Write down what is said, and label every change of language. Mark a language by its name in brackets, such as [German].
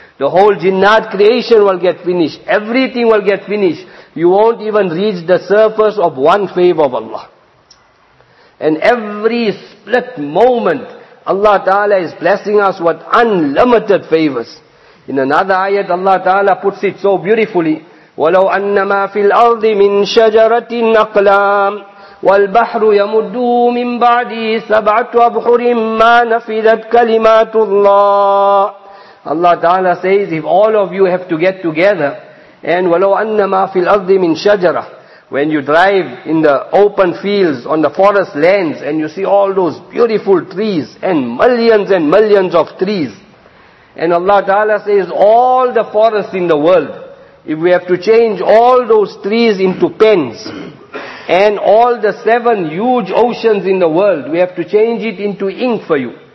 [English] The whole jinnat creation will get finished. Everything will get finished. You won't even reach the surface of one favor of Allah. And every split moment, Allah Ta'ala is blessing us with unlimited favors. In another ayat, Allah Ta'ala puts it so beautifully, [Arabic] ولو أن ما في الأرض من شجرة أقلام والبحر يمده من بعده سبعة أبحر ما نفذت كلمات الله. [English] Allah Ta'ala says, if all of you have to get together, and [Arabic] ولو أن ما في الأرض من شجرة, [English] when you drive in the open fields, on the forest lands, and you see all those beautiful trees, and millions of trees. And Allah Ta'ala says, all the forests in the world, if we have to change all those trees into pens, and all the seven huge oceans in the world, we have to change it into ink for you.